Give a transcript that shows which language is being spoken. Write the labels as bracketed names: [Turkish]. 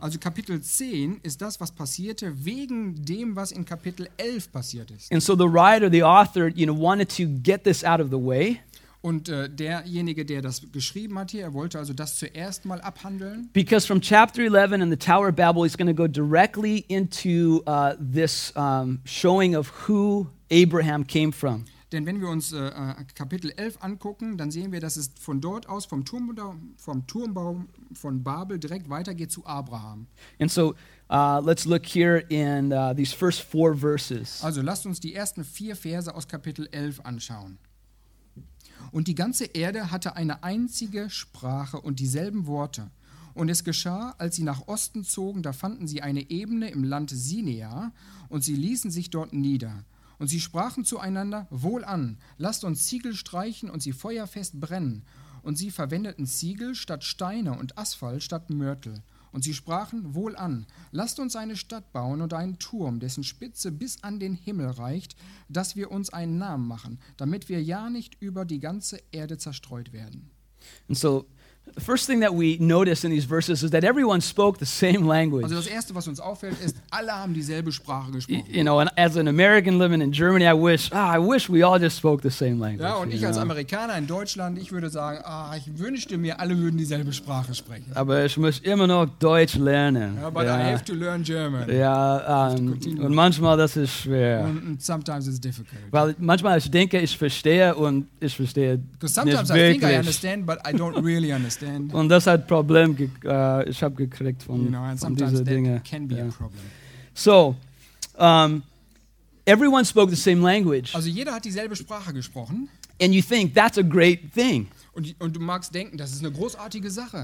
[German] Also Kapitel 10 ist das, was passierte wegen dem, was in Kapitel 11 passiert ist. [English] And so the writer, the author, you know, wanted to get this out of the way. [German] Und derjenige, der das geschrieben hat hier, er wollte also das zuerst mal abhandeln. [English] Because from chapter 11 and the Tower of Babel, he's going to go directly into this showing of who Abraham came from. [German] Denn wenn wir uns Kapitel 11 angucken, dann sehen wir, dass es von dort aus, vom Turmbau von Babel, direkt weitergeht zu Abraham. [English] And so, let's look here in these first four verses. [German] Also lasst uns die ersten vier Verse aus Kapitel 11 anschauen. Und die ganze Erde hatte eine einzige Sprache und dieselben Worte. Und es geschah, als sie nach Osten zogen, da fanden sie eine Ebene im Land Sinea und sie ließen sich dort nieder. Und sie sprachen zueinander, wohlan, lasst uns Ziegel streichen und sie feuerfest brennen. Und sie verwendeten Ziegel statt Steine und Asphalt statt Mörtel. Und sie sprachen, wohlan, lasst uns eine Stadt bauen und einen Turm, dessen Spitze bis an den Himmel reicht, dass wir uns einen Namen machen, damit wir ja nicht über die ganze Erde zerstreut werden. Und so, [English] the first thing that we notice in these verses is that everyone spoke the same language. [German] Also das erste, was uns auffällt, ist, alle haben dieselbe Sprache gesprochen. [English] You know, and as an American living in Germany, I wish we all just spoke the same language. [German] Ja, und ich [English] know? [German] Als Amerikaner in Deutschland, ich würde sagen, ich wünschte mir, alle würden dieselbe Sprache sprechen. Aber ich muss immer noch Deutsch lernen. [English] But yeah. I have to learn German. [German] Yeah, und manchmal das ist schwer. [English] And sometimes it's difficult. [German] Weil manchmal ich denke, ich verstehe und ich verstehe nicht wirklich. [English] Sometimes I think I understand, but I don't really understand. [German] Und das hat Problem ich habe gekriegt von, [English] you know, [German] von diesen Dingen. [English] Can be yeah. A so, everyone spoke the same language. [German] Also jeder hat dieselbe Sprache gesprochen. [English] And you think that's a great thing. [German] Und du magst denken, das ist eine großartige Sache.